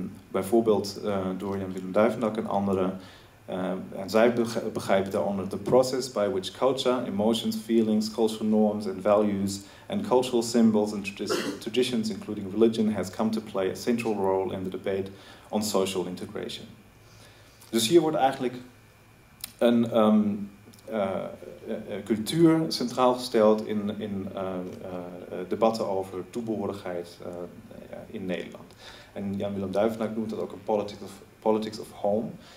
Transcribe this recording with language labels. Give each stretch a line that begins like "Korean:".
Dutch: Bijvoorbeeld door Jan Willem Duivendak en anderen. En zij begrijpen daaronder
English: the process by which culture, emotions, feelings, cultural norms and values and cultural symbols and traditions, including religion, has come to play a central role in the debate on social integration.
Dutch: Dus hier wordt eigenlijk een cultuur centraal gesteld in debatten over toebehorigheid in Nederland. En Jan Willem Duivendak noemt dat ook een
English: politics of home.